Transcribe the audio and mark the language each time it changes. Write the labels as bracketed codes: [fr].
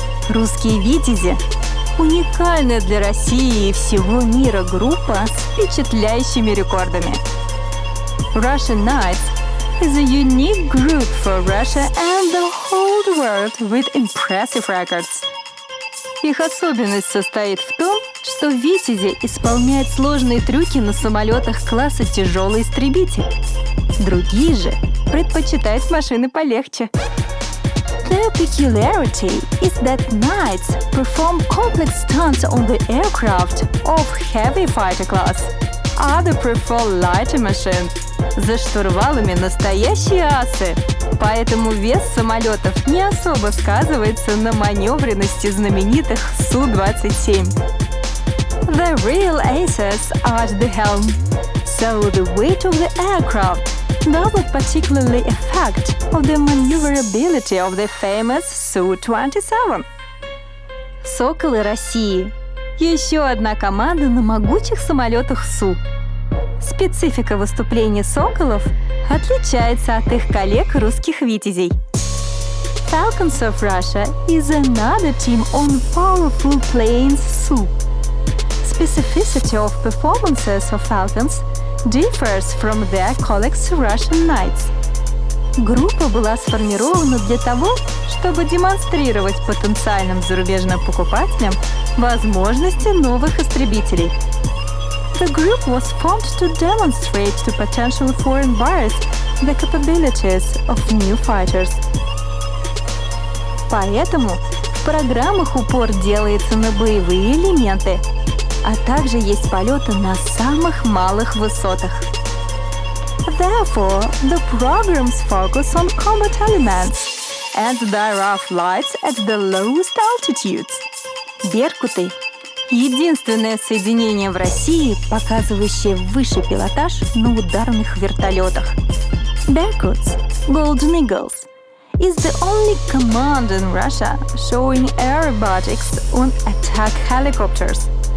[ru] Русские витязи. Уникальная для России и всего мира группа с впечатляющими рекордами. [en] Russian Knights is a unique group for Russia and the whole world with impressive records. [ru] Их особенность состоит в том, что витязи исполняют сложные трюки на самолетах класса тяжелый истребитель. Другие же предпочитают машины полегче. [en] Their peculiarity is that knights perform complex stunts on the aircraft of heavy fighter class. Others prefer lighter machines. [ru] За штурвалами настоящие асы, поэтому вес самолетов не особо сказывается на маневренности знаменитых Су-27. [en] The real aces are at the helm, so the weight of the aircraft doesn't particularly affect of the maneuverability of the famous Su-27. [ru] Соколы России. Еще одна команда на могучих самолетах Су. Специфика выступлений соколов отличается от их коллег русских витязей. [en] Falcons of Russia is another team on powerful planes Su. Specificity of performances of Falcons differs from their colleagues Russian Knights. [ru] Группа была сформирована для того, чтобы демонстрировать потенциальным зарубежным покупателям возможности новых истребителей. [en] The group was formed to demonstrate to potential foreign buyers the capabilities of new fighters. [ru] Поэтому в программах упор делается на боевые элементы, а также есть полеты на самых малых высотах. [en] Therefore, the programs focus on combat elements, and there are flights at the lowest altitudes. [ru] Беркуты — единственное соединение в России, показывающее высший пилотаж на ударных вертолетах. [en] Беркутс, Golden Eagles, is the only command in Russia showing aerobatics on attack helicopters.